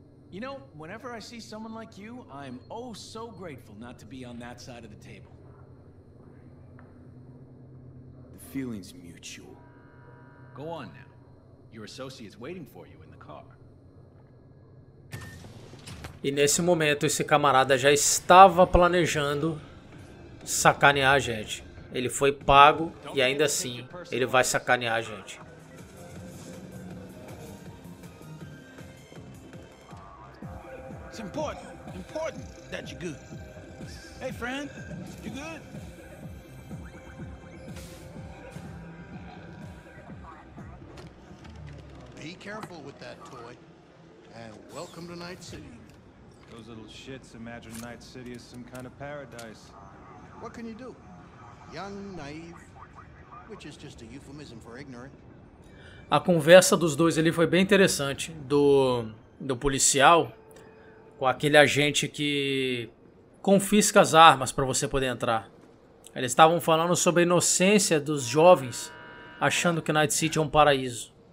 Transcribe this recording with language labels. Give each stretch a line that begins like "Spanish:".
English: You know, whenever I see someone like you, I'm oh so grateful not to be on that side of the table. The feeling's mutual. Go on now. Your associate's waiting for you in the car.
Portuguese: E nesse momento, esse camarada já estava planejando sacanear a gente. Ele foi pago e ainda assim, ele vai sacanear a gente. É importante, importante que você esteja bem. Ei, friend, você está bem?
English: Be careful with that toy. And welcome to Night City. Those little shits imagine Night City as some kind of paradise. What can you do? Young, naive, which is just a euphemism for ignorant.
Portuguese: A conversa dos dois ali foi bem interessante, do policial com aquele agente que confisca as armas para você poder entrar. Eles estavam falando sobre a inocência dos jovens achando que Night City é um paraíso.